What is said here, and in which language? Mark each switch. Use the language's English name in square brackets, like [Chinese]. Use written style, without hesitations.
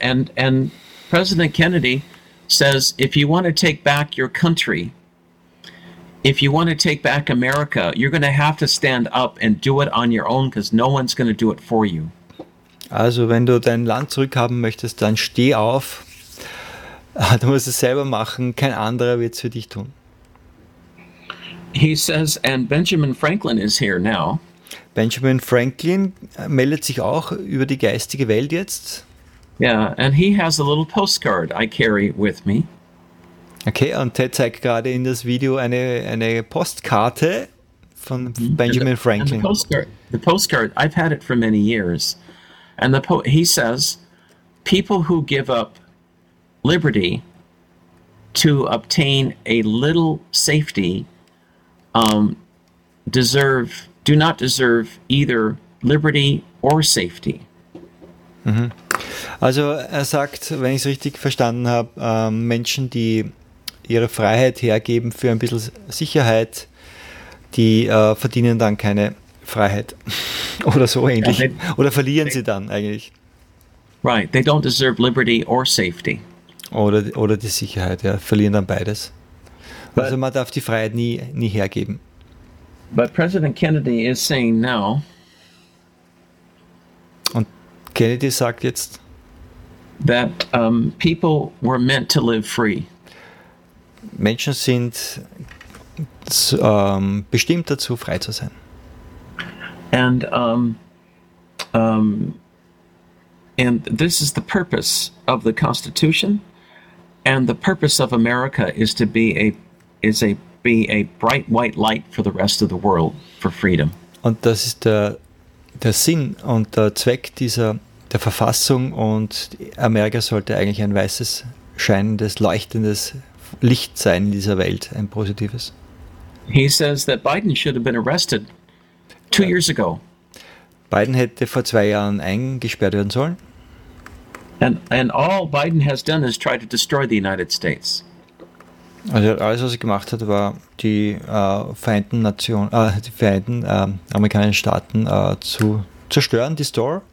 [English] And President Kennedy says, if you want to take back your country, if you want to take back America, you're going to have to stand up and do it on your own because no one's going to do it for you. [German] Also wenn du dein Land zurückhaben möchtest, dann steh auf. Du musst es selber machen, kein anderer wird es für dich tun. [English] He says, and Benjamin Franklin is here now. [German] Benjamin Franklin meldet sich auch über die geistige Welt jetzt. [English] Yeah, and he has a little postcard I carry with me. [German] Okay, und Ted zeigt gerade in das Video eine Postkarte von Benjamin Franklin. [English] The postcard, I've had it for many years. And he says, people who give up liberty to obtain a little safety do not deserve either liberty or safety. Mhm. [German] Also er sagt, wenn ich es richtig verstanden habe, Menschen, die ihre Freiheit hergeben für ein bisschen Sicherheit, die verdienen dann keine Freiheit. Oder so ähnlich. Yeah, oder verlieren sie dann eigentlich. [English] Right, they don't deserve liberty or safety. [German] Oder die Sicherheit, ja, verlieren dann beides. But, also man darf die Freiheit nie hergeben. [English] But President Kennedy is saying now. [German] Und Kennedy sagt jetzt, [English] that people were meant to live free. [German] Menschen sind bestimmt dazu, frei zu sein. [English] And and this is the purpose of the Constitution, and the purpose of America is to be a bright white light for the rest of the world for freedom. [German] Und das ist der Sinn und der Zweck der Verfassung, und Amerika sollte eigentlich ein weißes, scheinendes, leuchtendes Licht sein in dieser Welt, ein positives. [English] He says that Biden should have been arrested 2 years ago. [German] Biden hätte vor 2 Jahren eingesperrt werden sollen. [English] And all Biden has done is try to destroy the United States. [German] Also alles, was er gemacht hat, war die Vereinten Nationen, die Vereinten amerikanischen Staaten zu zerstören, destroy.